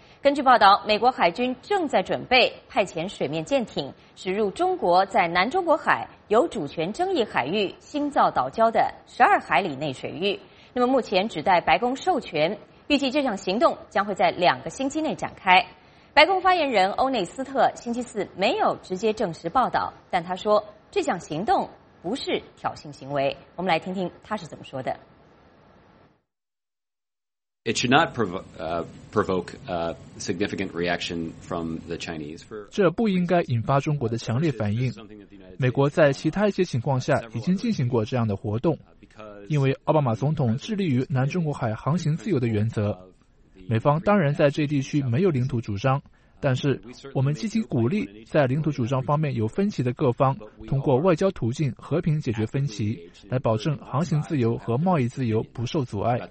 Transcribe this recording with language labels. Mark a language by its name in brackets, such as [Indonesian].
[Chinese] 根据报道，美国海军正在准备派遣水面舰艇驶入中国在南中国海有主权争议海域新造岛礁的12海里内水域，那么目前只待白宫授权，预计这项行动将会在2个星期内展开。白宫发言人欧内斯特星期四没有直接证实报道，但他说这项行动不是挑衅行为。我们来听听他是怎么说的。 [English] It should not provoke a significant reaction from the Chinese. [Chinese] 这不应该引发中国的强烈反应。美国在其他一些情况下已经进行过这样的活动，因为奥巴马总统致力于南中国海航行自由的原则。美方当然在这地区没有领土主张，但是我们积极鼓励在领土主张方面有分歧的各方通过外交途径和平解决分歧，来保证航行自由和贸易自由不受阻碍。